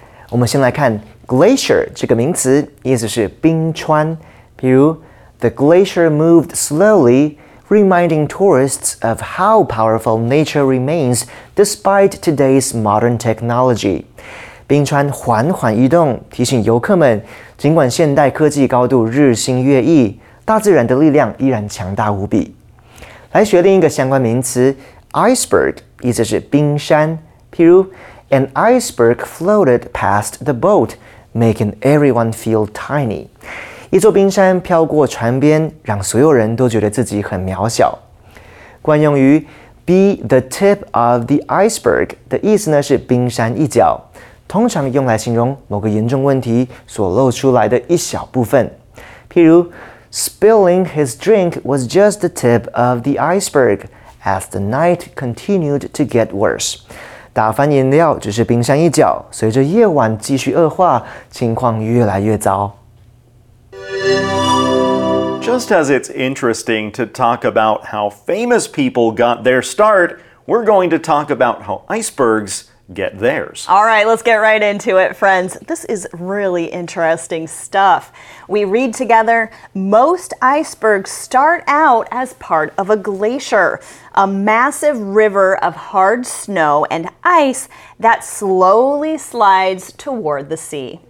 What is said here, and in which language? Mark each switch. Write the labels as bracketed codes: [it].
[zh] 我们先来看 glacier 这个名词，意思是冰川。比如 [en] ，The glacier moved slowly. Reminding tourists of how powerful nature remains despite today's modern technology. [zh] 冰川缓缓移动，提醒游客们，尽管现代科技高度日新月异，大自然的力量依然强大无比。来学另一个相关名词 ，iceberg， 意思是冰山。譬如 [en] ，An iceberg floated past the boat, making everyone feel tiny. [zh] 一座冰山飘过船边，让所有人都觉得自己很渺小。惯用于 [en] be the tip of the iceberg [zh] 的意思呢是冰山一角，通常用来形容某个严重问题所露出来的一小部分。譬如 [en] ，Spilling his drink was just the tip of the iceberg as the night continued to get worse。 [zh] 打翻饮料只是冰山一角，随着夜晚继续恶化，情况越来越糟。 [en] Just as it's interesting to talk about how famous people got their start, we're going to talk about how icebergs get theirs. All right, let's get right into it, friends. This is really interesting stuff. We read together, most icebergs start out as part of a glacier, a massive river of hard snow and ice that slowly slides toward the sea.